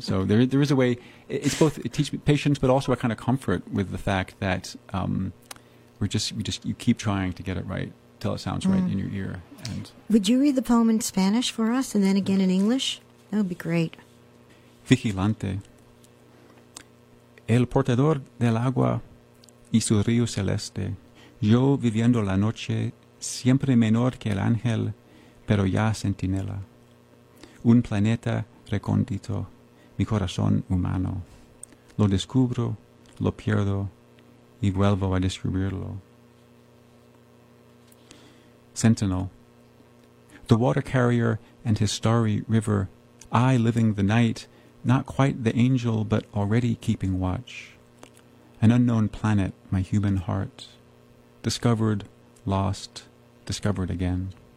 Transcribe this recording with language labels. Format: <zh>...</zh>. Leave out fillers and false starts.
<en>So there is a way, it teaches me patience, but also a kind of comfort with the fact that you keep trying to get it right till it sounds right in your ear. And would you read the poem in Spanish for us and then again in English? That would be great.</en> <es>Vigilante. El portador del agua y su río celeste, yo viviendo la noche, siempre menor que el ángel, pero ya sentinela. Un planeta recóndito, mi corazón humano. Lo descubro, lo pierdo, y vuelvo a descubrirlo.</es> <en>Sentinel. The water carrier and his starry river, I living the night, not quite the angel, but already keeping watch. An unknown planet, my human heart. Discovered, lost, discovered again.</en>